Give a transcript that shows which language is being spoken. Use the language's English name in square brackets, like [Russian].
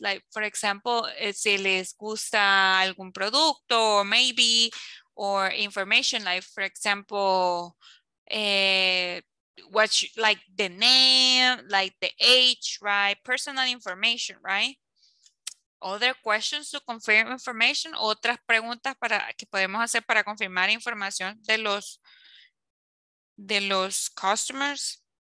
[English] Like, for example, [Spanish] si les gusta algún producto o maybe... [English] Or information like, for example, the name, like the age, right? Personal information, right? Other questions to confirm information, [Spanish] otras preguntas para que podemos hacer para confirmar información de los customers.